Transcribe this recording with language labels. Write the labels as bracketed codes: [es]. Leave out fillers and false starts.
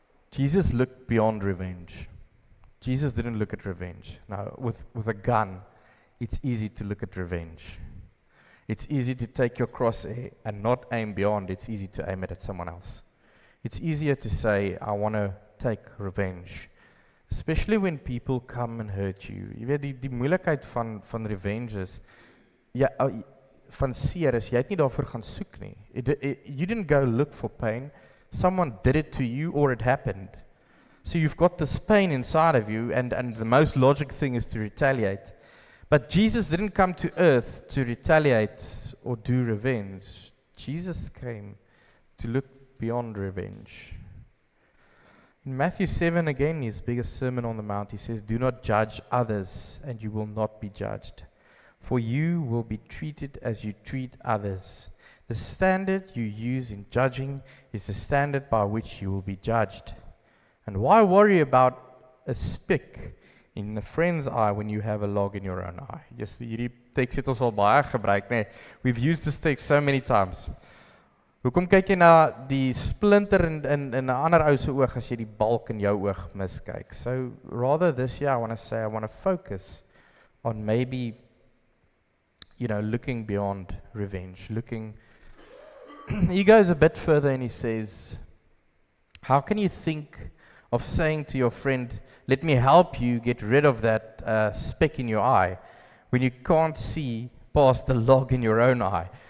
[en] Jesus looked beyond revenge. Jesus didn't look at revenge. Now, with a gun, it's easy to look at revenge. It's easy to take your cross and not aim beyond. It's easy to aim it at someone else. It's easier to say, I want to take revenge. Especially when people come and hurt you. [af] Jy weet, die moeilikheid van revenge is, van seer is, jy het nie daarvoor gaan soek nie. [en] You didn't go look for pain. Someone did it to you or it happened. So you've got this pain inside of you and the most logic thing is to retaliate. But Jesus didn't come to earth to retaliate or do revenge. Jesus came to look beyond revenge. In Matthew 7, again, his biggest sermon on the mount, he says, do not judge others and you will not be judged. For you will be treated as you treat others. The standard you use in judging is the standard by which you will be judged. And why worry about a speck in a friend's eye when you have a log in your own eye? [af] Yes, hierdie tekst het ons al baie gebruik, nee. We've used this text so many times. Hoekom kyk jy na die splinter in 'n ander ou se oog as jy die balk in jou oog miskyk? [en] So, rather this year, I want to focus on maybe, you know, looking beyond revenge, looking. He goes a bit further and he says, how can you think of saying to your friend, let me help you get rid of that speck in your eye, when you can't see past the log in your own eye?